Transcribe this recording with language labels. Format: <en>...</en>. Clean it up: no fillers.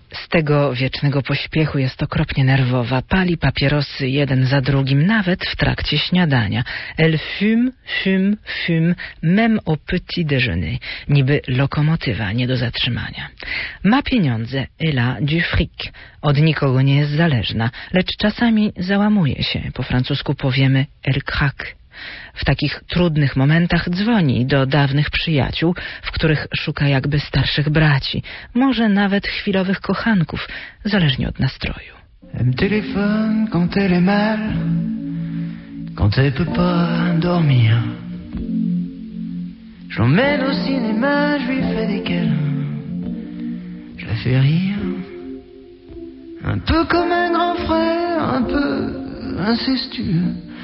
<pl>Tego wiecznego pośpiechu jest okropnie nerwowa. Pali papierosy jeden za drugim, nawet w trakcie śniadania.</pl> <fr>Elle fume, fume, fume, même au petit déjeuner.</fr> <pl>Niby lokomotywa, nie do zatrzymania. Ma pieniądze,</pl> <fr>elle a du fric.</fr> <pl>Od nikogo nie jest zależna, lecz czasami załamuje się. Po francusku powiemy</pl> <fr>elle craque.</fr> <pl>W takich trudnych momentach dzwoni do dawnych przyjaciół, w których szuka jakby starszych braci, może nawet chwilowych kochanków, zależnie od nastroju.</pl> <fr>Elle me téléphone quand elle est mal, quand elle peut pas dormir. Je l'emmène au cinéma, je lui fais des câlins, je la fais rire. Un peu comme un grand frère, un peu incestueux.</fr>